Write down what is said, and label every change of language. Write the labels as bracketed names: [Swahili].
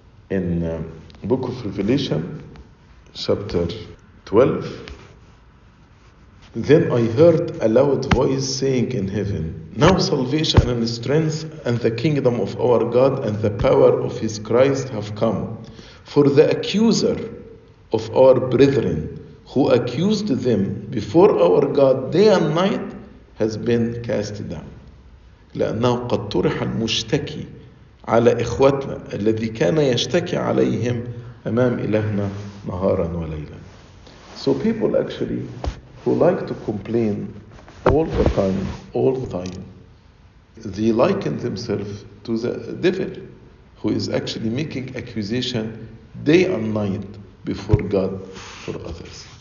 [English] In Book of Revelation, chapter 12, "Then I heard a loud voice saying in heaven, now salvation and strength and the kingdom of our God and the power of his Christ have come. For the accuser of our brethren who accused them before our God day and night has been cast down. [Arabic] لأنه قد طرح المشتكي على إخوتنا الذي كان يشتكي عليهم أمام إلهنا نهارا وليلا." [English] So people actually who like to complain all the time, they liken themselves to the devil who is actually making accusation day and night before God for others.